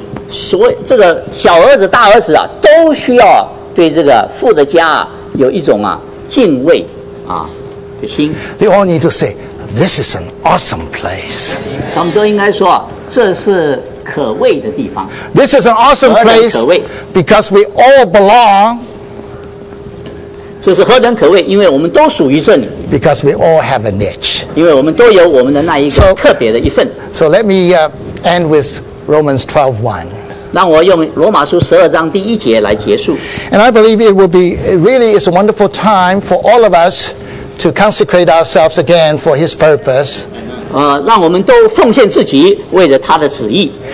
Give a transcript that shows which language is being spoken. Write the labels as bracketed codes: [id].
[zh] 所以这个小儿子、大儿子啊，都需要对这个父的家啊有一种啊敬畏啊的心。 [en] They all need to say, "This is an awesome place." [zh] 他们都应该说，这是可畏的地方。 [en] This is an awesome place because we all belong. [zh] 这是何等可畏，因为我们都属于这里。 [en] Because we all have a niche. [zh] 因为我们都有我们的那一个特别的一份。 [en] So let me end with Romans 12:1. [zh] 让我用罗马书十二章第一节来结束。 [en] And I believe it will be, it really is a wonderful time for all of us to consecrate ourselves again for His purpose. [zh] 让我们都奉献自己为了他的旨意。